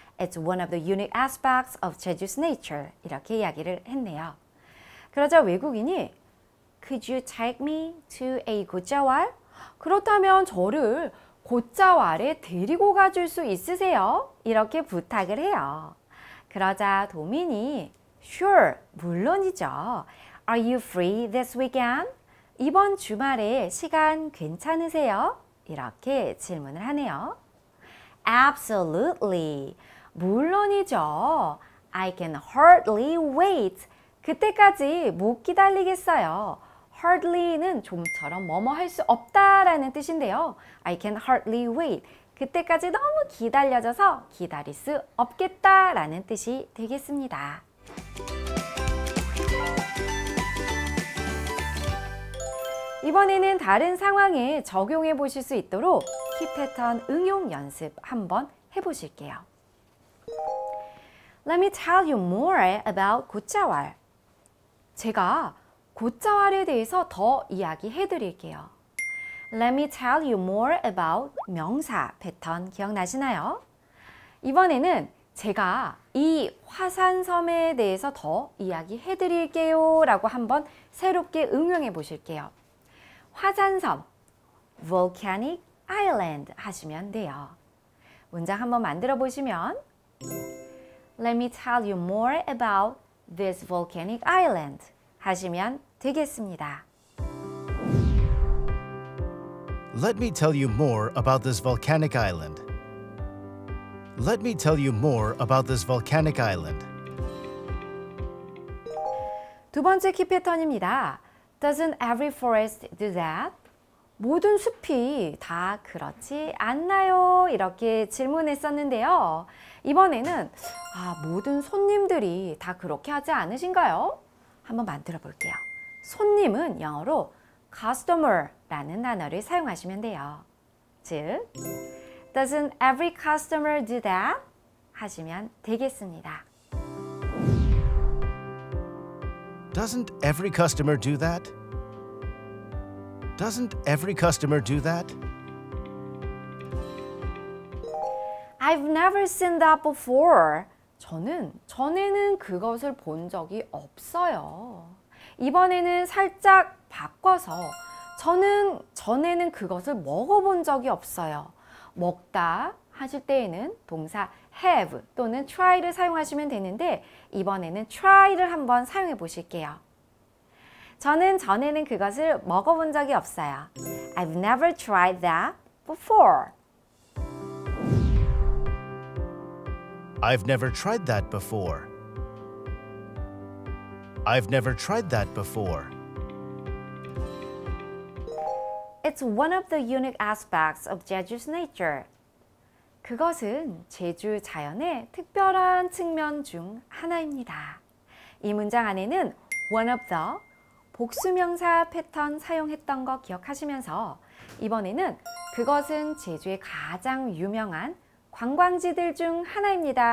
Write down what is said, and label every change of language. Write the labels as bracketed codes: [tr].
[en] It's one of the unique aspects of Jeju's nature. [ko] 이렇게 이야기를 했네요. 그러자 외국인이 [en] Could you take me to a 곶자왈? [ko] 그렇다면 저를 곶자왈에 데리고 가줄 수 있으세요? 이렇게 부탁을 해요. 그러자 도민이 [en] Sure, [ko] 물론이죠. [en] Are you free this weekend? [ko] 이번 주말에 시간 괜찮으세요? 이렇게 질문을 하네요. [en] Absolutely. [ko] 물론이죠. [en] I can hardly wait. [ko] 그때까지 못 기다리겠어요. Hardly는 좀처럼 뭐뭐 할 수 없다라는 뜻인데요. [en] I can hardly wait. [ko] 그때까지 너무 기다려져서 기다릴 수 없겠다라는 뜻이 되겠습니다. 이번에는 다른 상황에 적용해 보실 수 있도록 키 패턴 응용 연습 한번 해 보실게요. [en] Let me tell you more about 곶자왈. [ko] 제가 곶자왈에 대해서 더 이야기해 드릴게요. [en] Let me tell you more about [ko] 명사 패턴 기억나시나요? 이번에는 제가 이 화산섬에 대해서 더 이야기해 드릴게요 라고 한번 새롭게 응용해 보실게요. 화산섬, Volcanic Island 하시면 돼요. 문장 한번 만들어 보시면 [en] Let me tell you more about this Volcanic Island [ko] 하시면 되겠습니다. [en] Let me tell you more about this volcanic island. Let me tell you more about this volcanic island. [ko] 두 번째 키 패턴입니다. [en] Doesn't every forest do that? [ko] 모든 숲이 다 그렇지 않나요? 이렇게 질문했었는데요. 이번에는 모든 손님들이 다 그렇게 하지 않으신가요? 한번 만들어 볼게요. 손님은 영어로 customer라는 단어를 사용하시면 돼요. [en] 즉, Doesn't every customer do that? [ko] 하시면 되겠습니다. [en] Doesn't every customer do that? Doesn't every customer do that? I've never seen that before. [ko] 전에는 그것을 본 적이 없어요. 이번에는 살짝 바꿔서 저는 전에는 그것을 먹어본 적이 없어요. 먹다 하실 때에는 동사 have 또는 try를 사용하시면 되는데 이번에는 try를 한번 사용해 보실게요. 저는 전에는 그것을 먹어본 적이 없어요. [en] I've never tried that before. I've never tried that before. I've never tried that before. It's one of the unique aspects of Jeju's nature. [ko] 그것은 제주 자연의 특별한 측면 중 하나입니다. 이 문장 안에는 one of the 복수명사 패턴 사용했던 거 기억하시면서 이번에는 그것은 제주의 가장 유명한 관광지들 중 하나입니다.